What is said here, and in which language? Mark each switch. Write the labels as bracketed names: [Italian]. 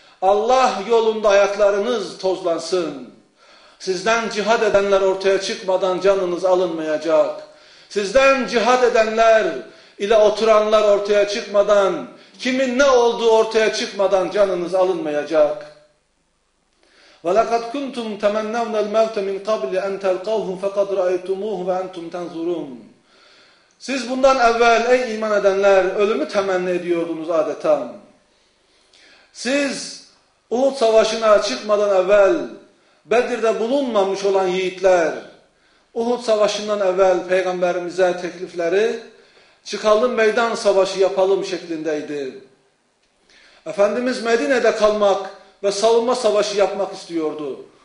[Turkish] Allah yolunda ayaklarınız tozlansın. Sizden cihad edenler ortaya çıkmadan canınız alınmayacak. Sizden cihad edenler ile oturanlar ortaya çıkmadan, kimin ne olduğu ortaya çıkmadan canınız alınmayacak. [Arabic] وَلَقَدْ كُنْتُمْ تَمَنَّوْنَ الْمَوْتَ مِنْ قَبْلِ اَنْ تَلْقَوْهُمْ فَقَدْ رَأَيْتُمُوهُ وَاَنْتُمْ تَنْزُرُونَ Siz bundan evvel ey iman edenler ölümü temenni ediyordunuz adeta. [Turkish] Siz Uhud Savaşı'na çıkmadan evvel Bedir'de bulunmamış olan yiğitler Uhud Savaşı'ndan evvel peygamberimize teklifleri çıkalım meydan savaşı yapalım şeklindeydi. Efendimiz Medine'de kalmak ve savunma savaşı yapmak istiyordu.